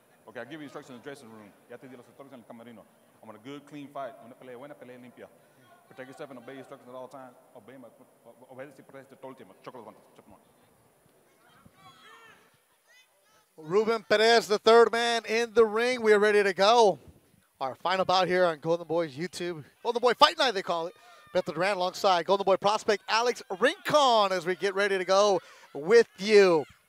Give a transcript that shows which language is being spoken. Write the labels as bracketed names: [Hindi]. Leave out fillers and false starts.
[English] Okay, I'll give you instructions in the dressing room. [Spanish] Ya te di los instructions en el camerino. [English] I'm on a good, clean fight. [Spanish] Una pelea buena, pelea limpia. [English] Protect yourself and obey instructions at all times. Obey my, [Spanish] obedece y protege todo el tiempo. Choco los guantes, choco los guantes. [English] Ruben Perez, the third man in the ring. We are ready to go. Our final bout here on Golden Boy's YouTube. Golden Boy Fight Night, they call it. Beth Durant alongside Golden Boy prospect Alex Rincon as we get ready to go with you.